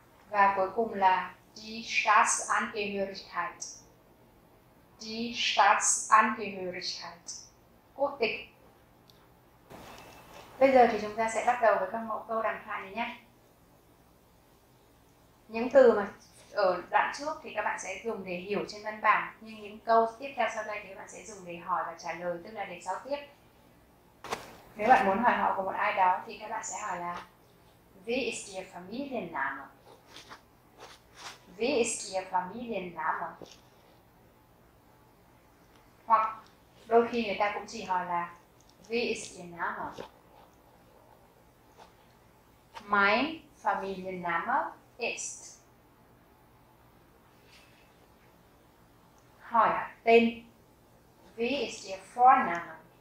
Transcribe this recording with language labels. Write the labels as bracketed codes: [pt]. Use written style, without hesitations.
[vi] Và cuối cùng là die Staatsangehörigkeit. [de] Die Staatsangehörigkeit. [vi] Quốc tịch. Bây giờ thì chúng ta sẽ bắt đầu với các mẫu câu đàm thoại này nhé. Những từ mà ở đoạn trước thì các bạn sẽ dùng để hiểu trên văn bản, nhưng những câu tiếp theo sau đây thì các bạn sẽ dùng để hỏi và trả lời, tức là để giao tiếp. Nếu bạn muốn hỏi họ của một ai đó thì các bạn sẽ hỏi là [de] Wie ist Ihr Familienname? Wie ist Ihr Familienname? [vi] Hoặc đôi khi người ta cũng chỉ hỏi là [de] Wie ist Ihr Name? Mein Familienname ist. [vi] Hỏi tên. [de] Wie ist Ihr Vorname?